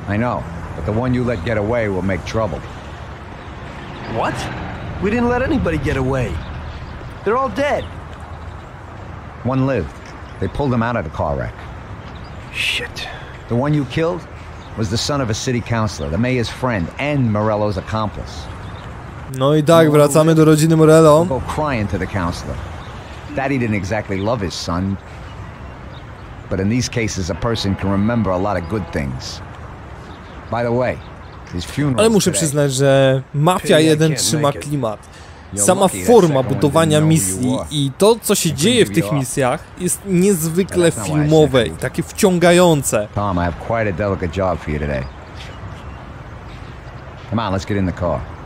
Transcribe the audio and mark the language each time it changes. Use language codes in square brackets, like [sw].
[en] I know, but the one you let get away will make trouble. What? We didn't let anybody get away. They're all dead. One lived. They pulled him out of the car wreck. Shit. The one you killed was the son of a city councilor, the mayor's friend, and Morello's accomplice. [pl] No i tak, wracamy do rodziny Morello. [en] Go crying to the councilor. Daddy didn't exactly love his son. But in these cases, a person can remember a lot of good things. By the way, his funeral. [pl] Ale muszę przyznać, że mafia jeden trzyma klimat. Sama forma budowania misji i to, co się dzieje w tych misjach, jest niezwykle filmowe i takie wciągające. [en] Tom, I have quite a delicate job for you today. Come on, let's get in the car.